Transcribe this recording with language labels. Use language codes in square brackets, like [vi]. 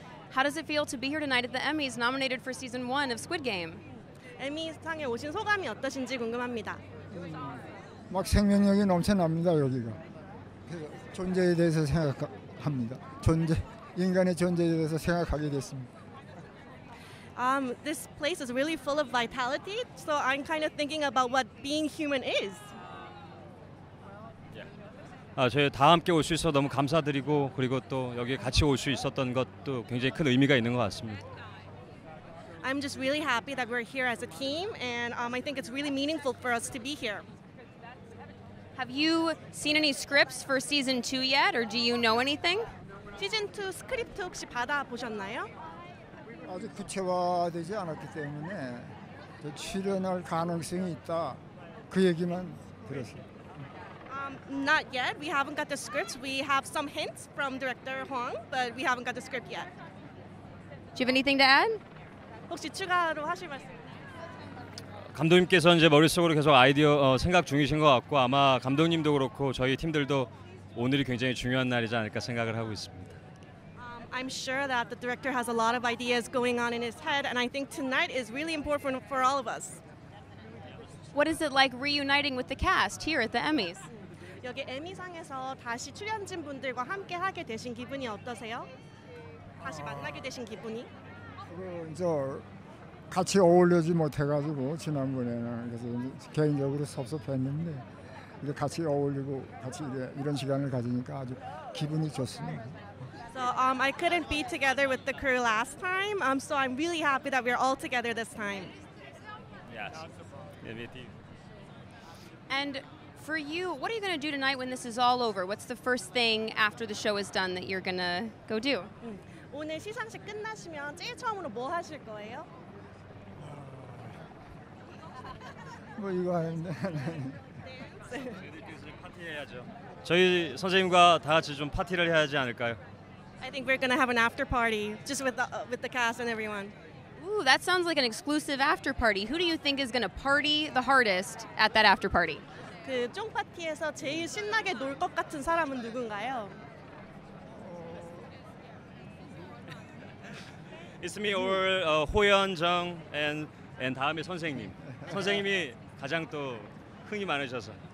[en] How does it feel to be here tonight at the Emmys, nominated for season one of Squid Game? [ko] 에미상에 오신 소감이 어떠신지 궁금합니다. 막 생명력이 넘쳐납니다 여기가. 존재에 대해서 생각합니다. 존재, 인간의 존재에 대해서 생각하게 됐습니다. [en] This place is really full of vitality, so I'm kind of thinking about what being human is. [ko] 저희 다 함께 올 수 있어서 너무 감사드리고 그리고 또 여기 같이 올 수 있었던 것도 굉장히 큰 의미가 있는 것 같습니다. [en] I'm just really happy that we're here as a team, and I think it's really meaningful for us to be here. Have you seen any scripts for season 2 yet, or do you know anything? [ko] 시즌 2 스크립트 혹시 받아보셨나요? 아직 구체화되지 않았기 때문에 출연할 가능성이 있다. 그 얘기만 들었어요. [en] Not yet. We haven't got the script. We have some hints from director Hwang, but we haven't got the script yet. Do you have anything to add? [ko] 혹시 추가로 하실 말씀? 감독님께서는 이제 머릿속으로 계속 아이디어 생각 중이신 것 같고 아마 감독님도 그렇고 저희 팀들도 오늘이 굉장히 중요한 날이지 않을까 생각을 하고 있습니다. [en] I'm sure that the director has a lot of ideas going on in his head, and I think tonight is really important for all of us. What is it like reuniting with the cast here at the Emmys? [ko] 여기 에미상에서 다시 출연진 분들과 함께 하게 되신 기분이 어떠세요? 다시 만나게 되신 기분이? 저 같이 어울리지 못해가지고 지난번에는 그래서 개인적으로 섭섭했는데 이제 같이 어울리고 같이 이런 시간을 가지니까 아주 기분이 좋습니다. [en] So I couldn't be together with the crew last time. So I'm really happy that we're all together this time. Yes, yeah, me too. And for you, what are you going to do tonight when this is all over? What's the first thing after the show is done that you're going to go do? [ko] 오늘 시상식 끝나시면 제일 처음으로 뭐 하실 거예요? 뭐 이거 하는데. 저희들끼리 파티 해야죠. 저희 선생님과 다 같이 좀 파티를 해야지 않을까요? [en] I think we're going to have an after party just with the cast and everyone. Ooh, that sounds like an exclusive after party. Who do you think is going to party the hardest at that after party? [ko] 그 총 파티에서 제일 신나게 놀 것 같은 사람은 누군가요? [en] It's me or Hoyeon, Jung, and [ko] 다음에 선생님. 선생님이 가장 또 흥이 많으셔서.